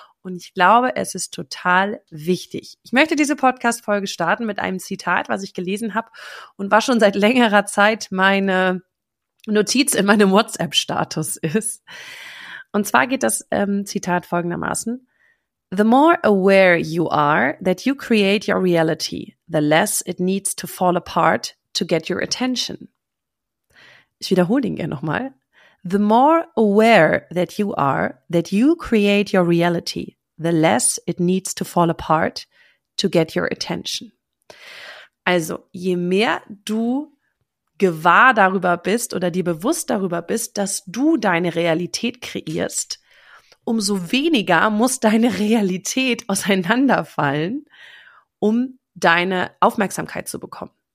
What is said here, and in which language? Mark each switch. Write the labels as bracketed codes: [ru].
[de] Und ich glaube, es ist total wichtig. Ich möchte diese Podcast-Folge starten mit einem Zitat, was ich gelesen habe und was schon seit längerer Zeit meine Notiz in meinem WhatsApp-Status ist. Und zwar geht das Zitat folgendermaßen. [en] The more aware you are that you create your reality, the less it needs to fall apart to get your attention. [de] Ich wiederhole den gerne nochmal. [en] The more aware that you are, that you create your reality, the less it needs to fall apart to get your attention. [de] Also, je mehr du gewahr darüber bist oder dir bewusst darüber bist, dass du deine Realität kreierst, umso weniger muss deine Realität auseinanderfallen, um deine Aufmerksamkeit zu bekommen.